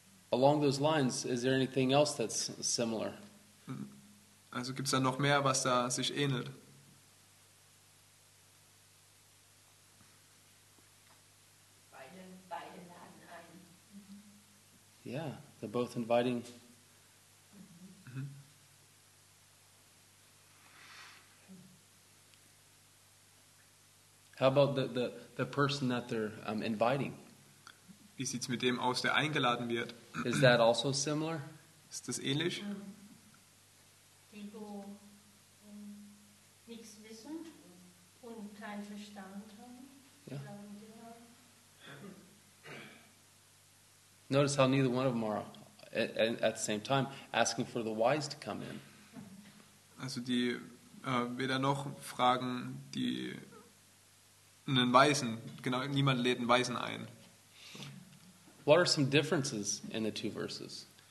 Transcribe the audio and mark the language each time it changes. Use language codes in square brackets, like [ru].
[en] Along those lines, is there anything else that's similar? [de] Also, gibt's da noch mehr, was da sich ähnelt? Beide laden ein. [en] Yeah, they're both inviting. How about the person that they're inviting? [de] Wie sieht's mit dem aus, der eingeladen wird? [en] Is that also similar? [de] Ist das ähnlich? Die, wo nichts wissen und keinen Verstand haben. [en] Notice how neither one of them are at the same time asking for the wise to come in. [de] Also die weder noch fragen die einen Weisen, genau, niemand lädt einen Weisen ein. [en] What are some differences in the two verses?